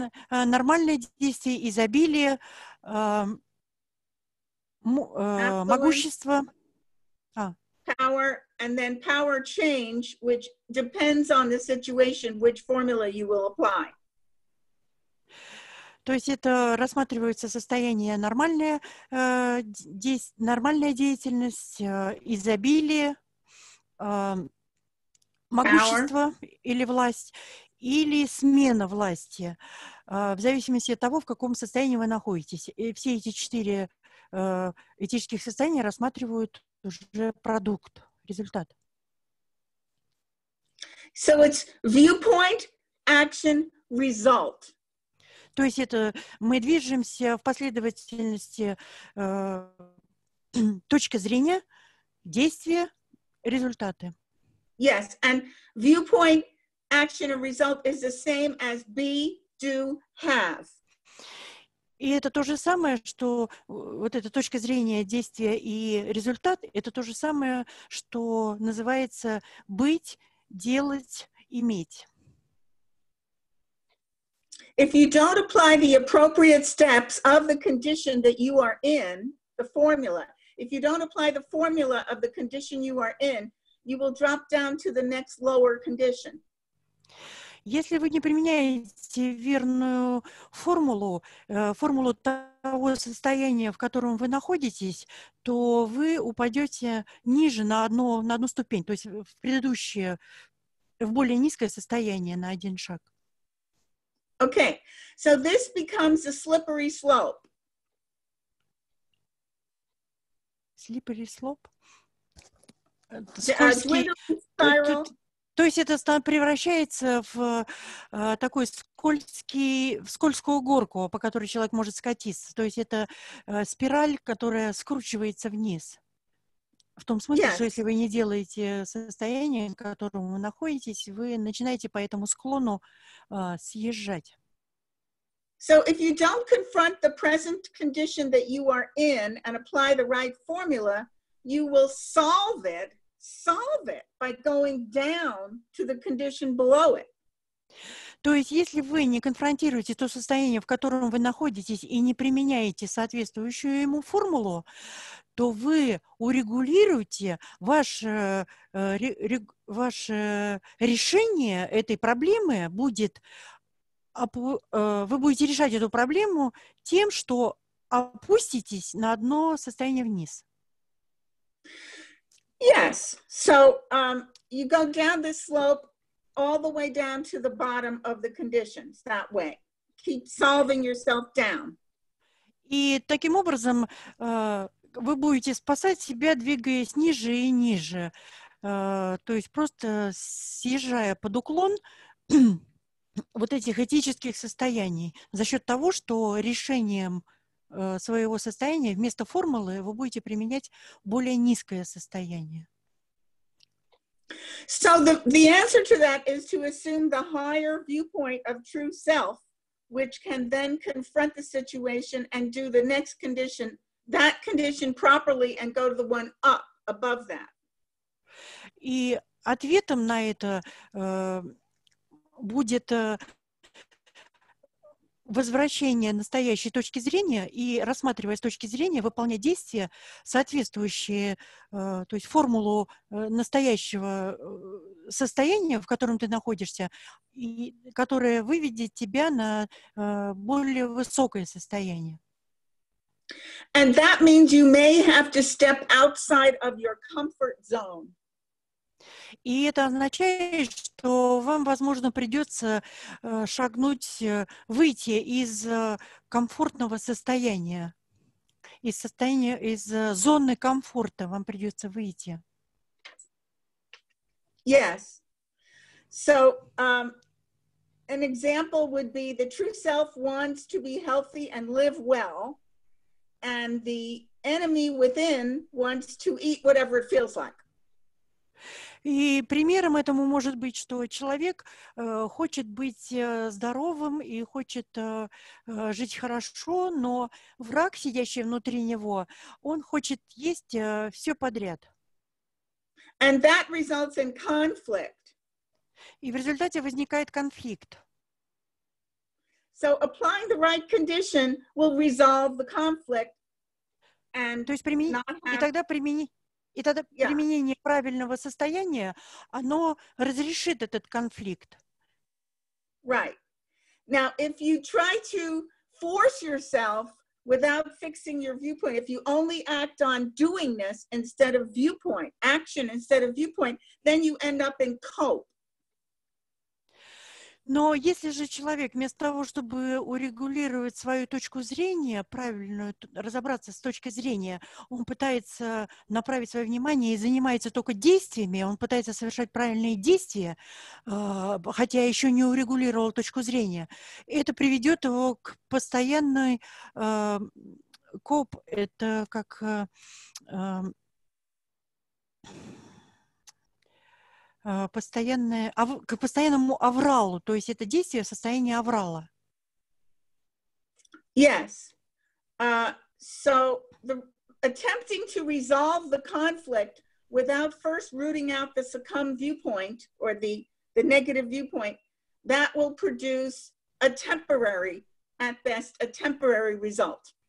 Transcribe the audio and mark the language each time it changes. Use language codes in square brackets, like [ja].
[ru] Нормальное действие, изобилие, могущество. [en] Power, and then power change, which depends on the situation, which formula you will apply. [ru] То есть это рассматривается состояние нормальная деятельность, изобилие, могущество [en] power. [ru] Или власть, или смена власти, в зависимости от того, в каком состоянии вы находитесь. И все эти четыре этических состояния рассматривают уже продукт, результат. [en] So it's viewpoint, action, result. [ru] То есть это мы движемся в последовательности точка зрения, действия, результаты. [en] Yes, and viewpoint, action, and result is the same as be, do, have. [ru] И это то же самое, что вот эта точка зрения, действия и результат, это то же самое, что называется быть, делать, иметь. [en] If you don't apply the appropriate steps of the condition that you are in, the formula, if you don't apply the formula of the condition you are in, you will drop down to the next lower condition. [ru] Если вы не применяете верную формулу, формулу того состояния, в котором вы находитесь, то вы упадете ниже на одну ступень, то есть в предыдущее, в более низкое состояние на один шаг. [en] Okay, so this becomes a slippery slope. Slippery slope? [ru] Скользкий. То есть это превращается в такой скользкий, в скользкую горку, по которой человек может скатиться. То есть это спираль, которая скручивается вниз. В том смысле, [en] yes. [ru] Что если вы не делаете состояние, в котором вы находитесь, вы начинаете по этому склону съезжать. [en] So if you don't confront the present condition that you are in and apply the right formula, you will solve it by going down to the condition below it. [ru] То есть, если вы не конфронтируете то состояние, в котором вы находитесь, и не применяете соответствующую ему формулу, то вы урегулируете ваше решение этой проблемы будет, вы будете решать эту проблему тем, что опуститесь на одно состояние вниз. [en] Yes. So you go down the slope all the way down to the bottom of the conditions that way. Keep solving yourself down. [ru] И таким образом вы будете спасать себя, двигаясь ниже и ниже. То есть просто съезжая под уклон вот этих этических состояний за счет того, что решением своего состояния вместо формулы вы будете применять более низкое состояние. [en] So the answer to that is to assume the higher viewpoint of true self, which can then confront the situation and do the next condition, that condition properly, and go to the one up above that. [ru] И ответом на это будет возвращение настоящей точки зрения и, рассматривая с точки зрения, выполнять действия, соответствующие, то есть формулу настоящего состояния, в котором ты находишься, и которое выведет тебя на более высокое состояние. [en] And that means you may have to step outside of your comfort zone. [ru] И это означает, что вам, возможно, придется выйти из комфортного состояния, из зоны комфорта вам придется выйти. [en] Yes. So, an example would be the true self wants to be healthy and live well, and the enemy within wants to eat whatever it feels like. [ru] И примером этому может быть, что человек хочет быть здоровым и хочет жить хорошо, но враг, сидящий внутри него, он хочет есть все подряд. [en] And that results in conflict. [ru] И в результате возникает конфликт. [en] So applying the right condition will resolve the conflict and not have... [ru] И тогда применение правильного состояния, оно разрешит этот конфликт. [en] Right. Now, if you try to force yourself without fixing your viewpoint, if you only act on doingness instead of viewpoint, action instead of viewpoint, then you end up in cope. [ru] Но если же человек, вместо того, чтобы урегулировать свою точку зрения, правильно разобраться с точки зрения, он пытается направить свое внимание и занимается только действиями, он пытается совершать правильные действия, хотя еще не урегулировал точку зрения, это приведет его к постоянной коп, это как... к постоянному авралу, то есть это действие в состоянии аврала. [en] Yes. So the attempting to resolve the conflict without first rooting out the succumb viewpoint or the negative viewpoint, that will produce a temporary, at best, a temporary result.